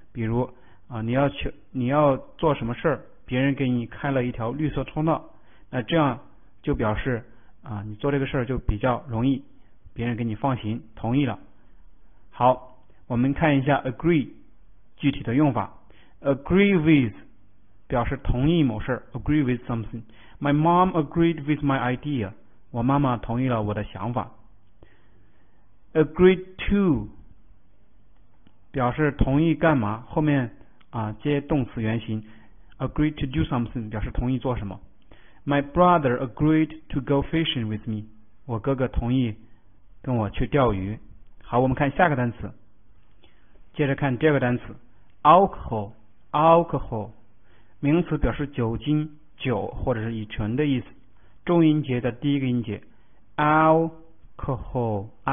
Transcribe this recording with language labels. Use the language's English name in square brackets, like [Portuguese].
[Chinese] 比如啊，你要做什么事儿，别人给你开了一条绿色通道，那这样就表示啊，你做这个事儿就比较容易，别人给你放行同意了。好，我们看一下 agree 具体的用法。 agree with 表示同意某事， [English] agree with something。 my mom agreed with my idea， [Chinese] 我妈妈同意了我的想法。 agree to 表示同意干嘛，后面啊接动词原形， [English] agree to do something [Chinese] 表示同意做什么。 [English] my brother agreed to go fishing with me， [Chinese] 我哥哥同意跟我去钓鱼。好，我们看下个单词，接着看第二个单词 alcohol， 名词表示酒精、酒或者是乙醇的意思，重音节的第一个音节 alcohol。